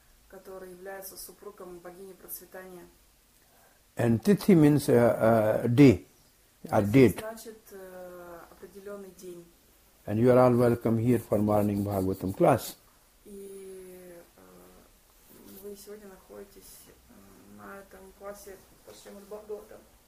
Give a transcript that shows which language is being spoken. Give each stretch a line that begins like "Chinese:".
Russian: Который является супругом богини процветания.
English: And tithi means day, or date.
Russian: Значит, определенный день.
English: And you are all welcome here for morning Bhagavatam class.
Russian: И вы сегодня находитесь на этом классе по Шримад Бхагаватам.